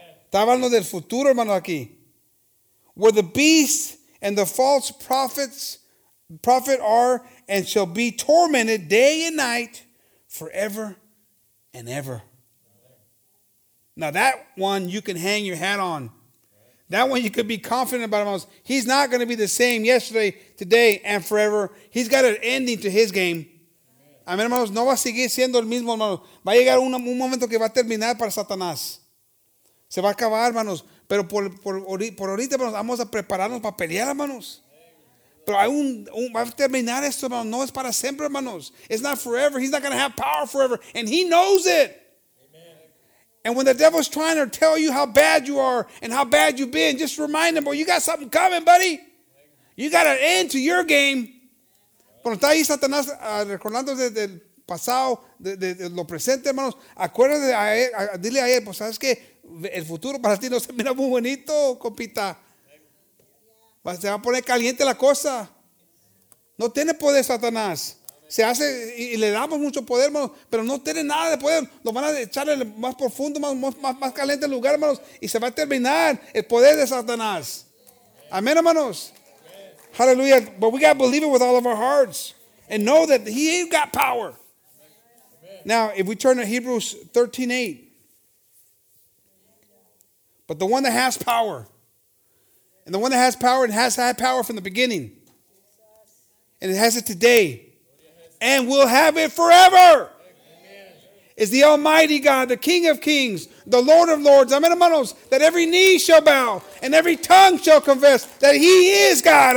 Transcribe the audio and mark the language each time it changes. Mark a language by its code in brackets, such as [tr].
[es] Estaba hablando del futuro, hermano, aquí. [en] Where the beast and the false prophet are and shall be tormented day and night forever and ever. Now that one you can hang your hat on. That one you could be confident about. He's not going to be the same yesterday, today, and forever. He's got an ending to his game. Amén, hermanos. [es] No va a seguir siendo el mismo, hermanos. Va a llegar un momento que va a terminar para Satanás. Se va a acabar, hermanos. Pero por ahorita, hermanos, vamos a prepararnos para pelear, hermanos. Pero hay va a terminar esto, hermanos. No es para siempre, hermanos. [en] It's not forever. He's not going to have power forever. And he knows it. And when the devil's trying to tell you how bad you are and how bad you've been, just remind him, boy, you got something coming, buddy. You got an end to your game. [es] Cuando está ahí Satanás recordándose del pasado, de lo presente, hermanos, acuérdate, dile a él, pues sabes que el futuro para ti no se mira muy bonito, compita. Se va a poner caliente la cosa. No tiene poder Satanás. Se hace y le damos mucho poder, hermanos, pero no tiene nada de poder. Lo van a echar en el más profundo, más caliente lugar, hermanos, y se va a terminar el poder de Satanás. Amén, hermanos. Hallelujah. [en] But we got to believe it with all of our hearts and know that he ain't got power. Amen. Now, if we turn to Hebrews 13:8. But the one that has power, and the one that has power and has had power from the beginning, and it has it today, and will have it forever, is the Almighty God, the King of Kings, the Lord of Lords, amen, hermanos, that every knee shall bow and every tongue shall confess that he is God.